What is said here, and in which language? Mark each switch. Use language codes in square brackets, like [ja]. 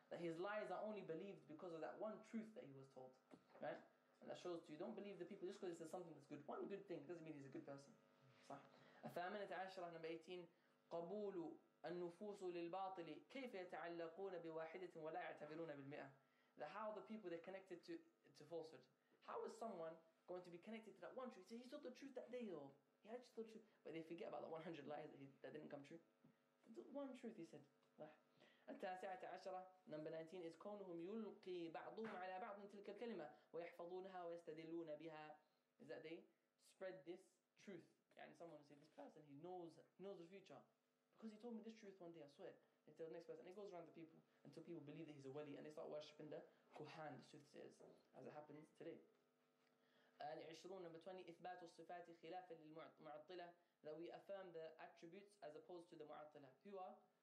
[en] That his lies are only believed because of that one truth that he was told. Right? And that shows to you, don't believe the people just because it says something that's good. One good thing doesn't mean he's a good person. صح. [ar] الثامنة عشرة, [en] number 18, [ar] قبول النفوس للباطل كيف يتعلقون بواحدة ولا يعتبرون بالمئة. [en] The how the people they're connected to falsehood. How is someone going to be connected to that one truth? He told the truth that day, though. He had just told the truth. But they forget about the 100 lies that didn't come true. The one truth, he said. [ar] التاسعة عشرة, [en] number 19, is [ar] كونهم يلقي بعضهم على بعض تلك الكلمة ويحفظونها ويستدلون بها. [en] Is that they spread this truth. يعني someone will say, this person, he knows the future. Because he told me this truth one day, I swear. They tell the next person, and it goes around the people until people believe that he's a wali, and they start worshipping the Quran, the soothsayers, as it happens today. [ar] العشرون, [en] number 20, [ar] إثبات الصفات خلافا للمعطلة, [en] that we affirm the attributes as opposed to the معطلة. Who are?